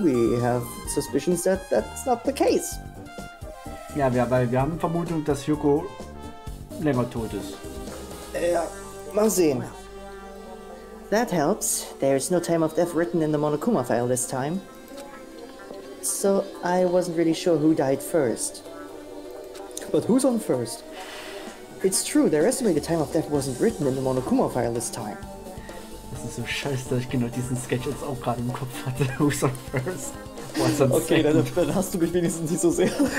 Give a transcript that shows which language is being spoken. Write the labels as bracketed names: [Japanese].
[English] We have suspicions that that's not the case. [German] Ja, wir haben Vermutung, dass Hyoko länger tot ist. Ja, mal sehen. [English] That helps. There is no time of death written in the Monokuma file this time. So I wasn't really sure who died first. But who's on first? It's true, their estimated time of death wasn't written in the Monokuma file this time. [German] Das ist so scheiße, dass ich genau diesen Sketch jetzt auch gerade im Kopf hatte. [English] Who's on first? What's on okay, second? [German] Okay, dann hast du mich wenigstens nicht so sehr.